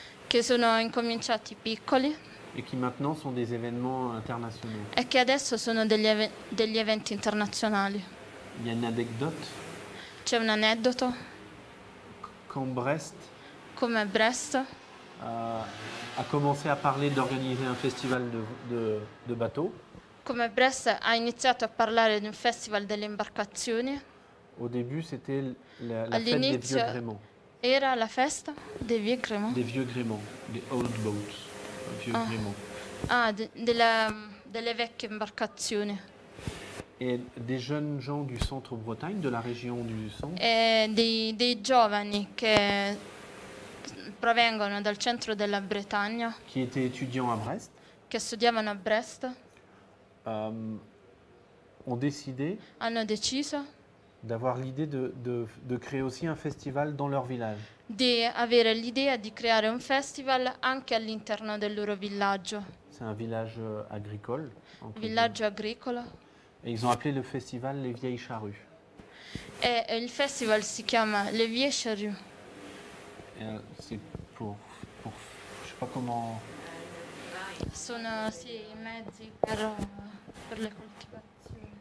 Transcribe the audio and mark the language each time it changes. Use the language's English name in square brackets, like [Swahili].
[Italian] che sono incominciati piccoli [French] et qui maintenant sont des événements internationaux. [Italian] E che adesso sono degli, degli eventi internazionali. [French] Il y a une anecdote. [Italian] C'è un aneddoto. [French] Quand Brest, [Italian] come Brest [French] a commencé à parler d'organiser un festival de bateaux. [Italian] Come Brest ha iniziato a parlare di un festival delle imbarcazioni. [French] Au début, c'était la fête des vieux gréments. [Italian] Era la festa dei vieux gréments. [French] Des vieux gréments, des [English] old boats, [French] vieux gréments. [Italian] Delle vecchie imbarcazioni. [French] Et des jeunes gens du centre Bretagne, de la région du centre. [Italian] E dei giovani che provengono dal centro della Bretagna. [French] Qui étaient étudiants à Brest. [Italian] Che studiavano a Brest. [French] Ont décidé [Italian] hanno deciso [French] d'avoir l'idée de créer aussi un festival dans leur village. [Italian] Di avere l'idea di creare un festival anche all'interno del loro villaggio. [French] C'est un village agricole. [Italian] Villaggio agricolo. [French] Et ils ont appelé le festival Les Vieilles Charrues. [Italian] Et il festival si chiama Les Vieilles Charrues. [French] C'est pour je sais pas comment. [Italian] Sono sì i mezzi per le coltivazioni.